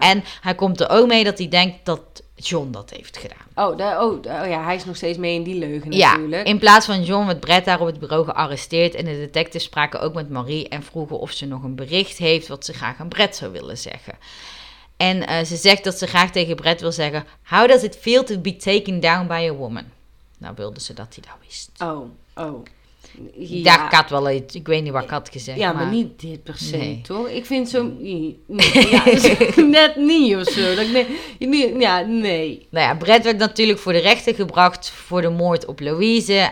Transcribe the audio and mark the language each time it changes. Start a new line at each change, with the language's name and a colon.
Dutch: En hij komt er ook mee dat hij denkt dat John dat heeft gedaan. Oh ja, hij is nog steeds mee in die leugen natuurlijk. Ja, in plaats van John werd Brett daar op het bureau gearresteerd. En de detectives spraken ook met Marie en vroegen of ze nog een bericht heeft wat ze graag aan Brett zou willen zeggen. En ze zegt dat ze graag tegen Brett wil zeggen...
English: How does it feel to be taken down by a woman?
Dutch: Nou wilde ze dat hij dat wist. Oh. Ja. Daar gaat wel iets. Ik weet niet wat ik had gezegd. Ja, maar niet dit per se, nee. toch? Ik vind zo... Ja, net niet of zo. Nee. Nou ja, Brett werd natuurlijk voor de rechter gebracht... voor de moord op Louise.